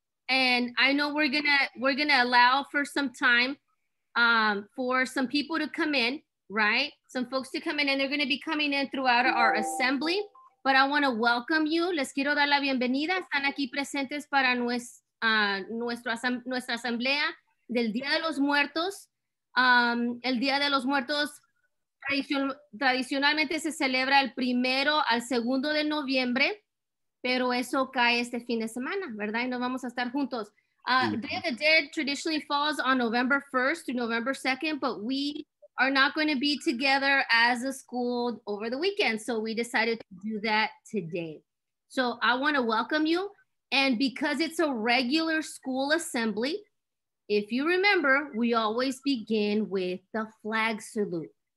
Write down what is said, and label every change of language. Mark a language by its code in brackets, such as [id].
[en] And I know we're gonna allow for some time for some people to come in, right? Some folks to come in, and they're gonna be coming in throughout our assembly. But I wanna welcome you. [es] Les quiero dar la bienvenida. Están aquí presentes para nuestra asamblea del Día de los Muertos. El Día de los Muertos tradicionalmente se celebra el primero al segundo de noviembre, pero eso cae este fin de semana, ¿verdad? Y nos vamos a estar juntos. [en] Day of the Dead traditionally falls on November 1st to November 2nd, but we are not going to be together as a school over the weekend, so we decided to do that today. So I want to welcome you, and because it's a regular school assembly, if you remember, we always begin with the flag salute.